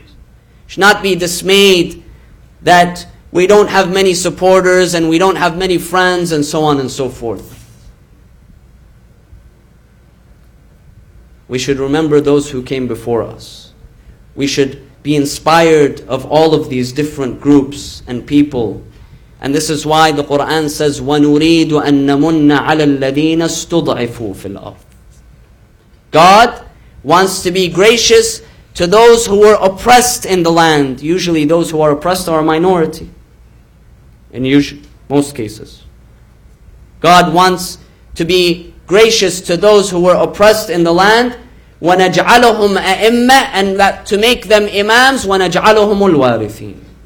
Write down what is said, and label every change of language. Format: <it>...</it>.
<en>You should not be dismayed that we don't have many supporters and we don't have many friends and so on and so forth. We should remember those who came before us. We should be inspired of all of these different groups and people. And this is why the Quran says,</en> <ar>وَنُرِيدُ أَن نَمُنَّ عَلَى الَّذِينَ اسْتُضْعِفُوا فِي الْأَرْضِ.</ar> <en>God wants to be gracious to those who were oppressed in the land. Usually those who are oppressed are a minority. In most cases. God wants to be gracious to those who were oppressed in the land,</en> <ar>وَنَجْعَلُهُمْ أَئِمَّةً,</ar> <en>and that to make them imams,</en> <ar>وَنَجْعَلُهُمُ الْوَارِثِينَ.</ar>